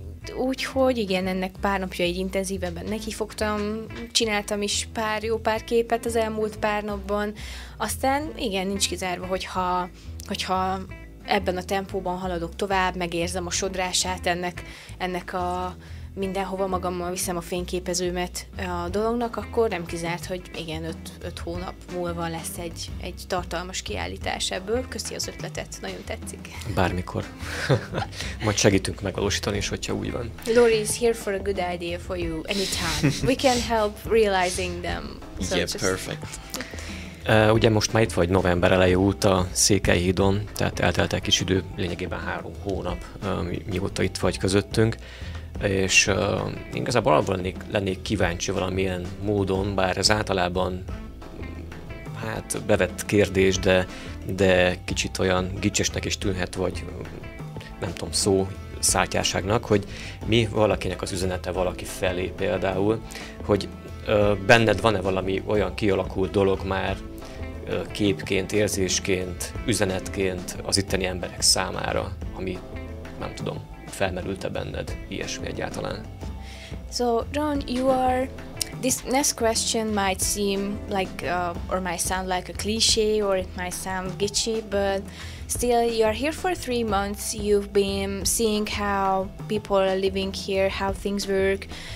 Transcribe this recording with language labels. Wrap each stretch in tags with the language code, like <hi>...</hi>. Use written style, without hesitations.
<hu>úgyhogy igen, ennek pár napja így intenzívebben nekifogtam, csináltam is pár jó pár képet az elmúlt pár napban, aztán igen, nincs kizárva, hogyha ebben a tempóban haladok tovább, megérzem a sodrását ennek a mindenhova magammal viszem a fényképezőmet a dolognak, akkor nem kizárt, hogy igen, 5 hónap múlva lesz egy tartalmas kiállítás ebből. Köszi az ötletet, nagyon tetszik. Bármikor. Majd segítünk megvalósítani, és hogyha úgy van.</hu> <en>Lori is here for a good idea for you anytime. We can help realizing them. So yeah, perfect.</en> <hu>Ugye most már itt vagy november eleje óta Székelyhídon, tehát eltelt egy kis idő, lényegében 3 hónap, mióta itt vagy közöttünk. És igazából arra lennék kíváncsi valamilyen módon, bár ez általában hát bevett kérdés, de kicsit olyan gicsesnek is tűnhet, vagy nem tudom, szó szátyárságnak, hogy mi valakinek az üzenete valaki felé például, hogy benned van-e valami olyan kialakult dolog már képként, érzésként, üzenetként az itteni emberek számára, ami nem tudom, felmerült-e benned ilyesmi egyáltalán?</hu> <en>So, Ron, this next question might seem like, or might sound like a cliche, or it might sound gitchy, but still, you are here for 3 months, you've been seeing how people are living here, how things work.</en>